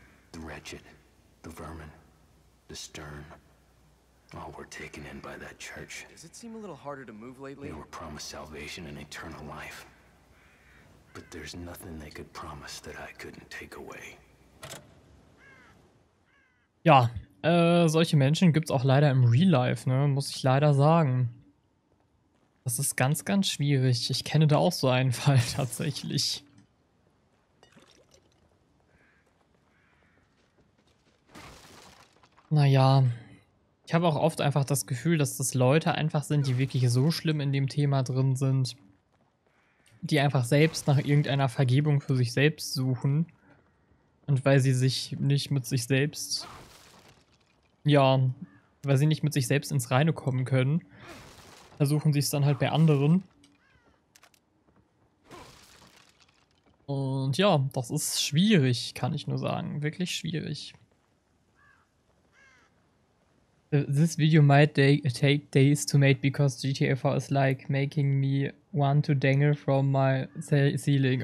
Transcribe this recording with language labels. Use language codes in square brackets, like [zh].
[en] The wretched, the vermin, the stern. All were taken in by that church. Does it seem a little harder to move lately? They were promised salvation and eternal life. But there's nothing they could promise that I couldn't take away. [de] Ja, solche Menschen gibt's auch leider im Real Life, ne? Muss ich leider sagen. Das ist ganz, ganz schwierig. Ich kenne da auch so einen Fall tatsächlich. Naja. Ich habe auch oft einfach das Gefühl, dass das Leute einfach sind, die wirklich so schlimm in dem Thema drin sind, die einfach selbst nach irgendeiner Vergebung für sich selbst suchen und weil sie sich nicht mit sich selbst, ja, weil sie nicht mit sich selbst ins Reine kommen können, versuchen sie es dann halt bei anderen. Und ja, das ist schwierig, kann ich nur sagen, wirklich schwierig. [en] This video might take days to make because GTA 4 is like making me want to dangle from my ceiling.